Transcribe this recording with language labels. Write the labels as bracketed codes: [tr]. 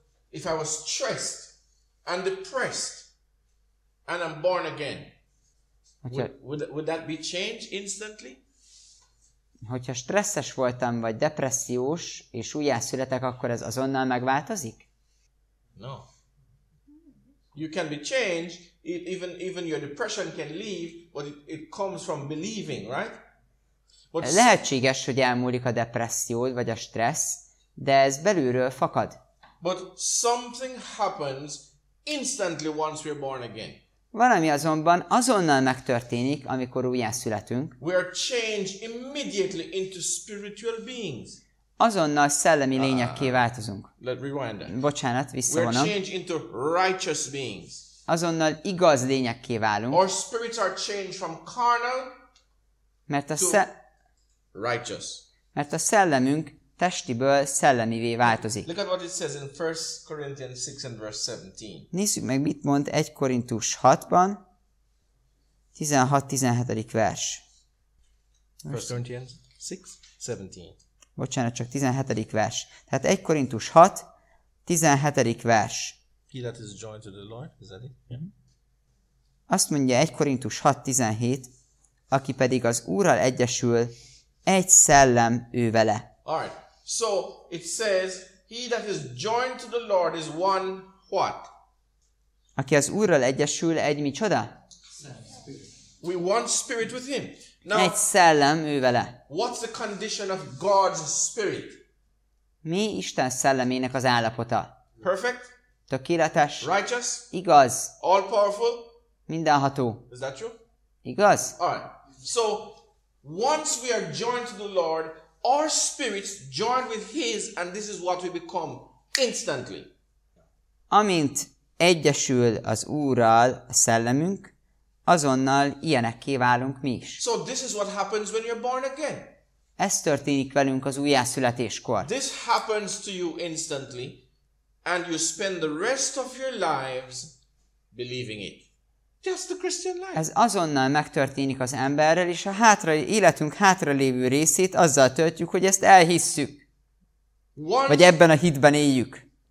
[en] If I was stressed and depressed and I'm born again, would that be changed instantly? [hu] Hogyha stresszes voltam vagy depressziós és újjászületek, akkor ez azonnal megváltozik? [en] No. You can be changed. Even your depression can leave, but it comes from believing, right? But [hu] lehetséges, hogy elmúlik a depressziód vagy a stressz, de ez belülről fakad. [en] But something happens instantly once we're born again. [hu] Valami azonban azonnal megtörténik, amikor újjászületünk. [en] We are changed immediately into spiritual beings. [hu] Azonnal szellemi lényekké változunk. [en] Let rewind that. [hu] Bocsánat, visszavonom. [en] We change into righteous beings. [hu] Azonnal igaz lényekké válunk. [en] Our spirits are changed from carnal to righteous. [hu] Mert a szellemünk testiből szellemivé változik. [en] Look at what it says in 1 Corinthians 6 and verse 17. [hu] Nézzük meg, mit mond 1 Korintus 6-ban, 16-17. vers. [en] 1 Corinthians 6, 17. [hu] Bocsánat, csak 17. vers. Tehát 1 Korintus 6, 17. vers. [en] He that is joined to the Lord, is that it? [hu] Azt mondja 1 Korintus 6, 17, aki pedig az Úrral egyesül, egy szellem ő vele. [en] Alright, so it says, he that is joined to the Lord is one what? [hu] Aki az Úrral egyesül, egy micsoda? [en] We one spirit with him. Now, [hu] egy szellem ő vele. [en] What's the condition of God's spirit? [hu] Mi Isten szellemének az állapota? [en] Perfect. [hu] Tökéletes. [en] Righteous. [hu] Igaz. [en] All powerful. [hu] Mindenható. [en] Is that true? [hu] Igaz. [en] Alright. So, once we are joined to the Lord, our spirits join with His, and this is what we become instantly. [hu] Amint egyesül az Úrral a szellemünk, azonnal ilyenekké válunk mi is. [en] So this is what happens when you're born again. [hu] Ez történik velünk az újjászületéskor. [en] This happens to you instantly, and you spend the rest of your lives believing it. Just the Christian life. [hu] Ez azonnal megtörténik az emberrel, és a életünk hátralévő részét azzal töltjük, hogy ezt elhisszük. Vagy ebben a hitben éljük.